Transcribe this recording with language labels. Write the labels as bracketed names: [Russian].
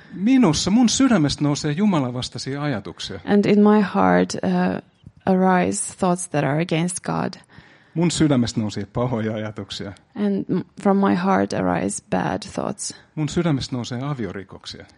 [Finnish] Minussa, mun sydämestä nousee Jumala vastaisia ajatuksia. [English] And in my heart arise thoughts that are against God. [Finnish] Mun sydämestä nousi pahoja ajatuksia. [English] And from my heart arise bad thoughts. [Finnish] Mun sydämestä nousi aviorikoksia.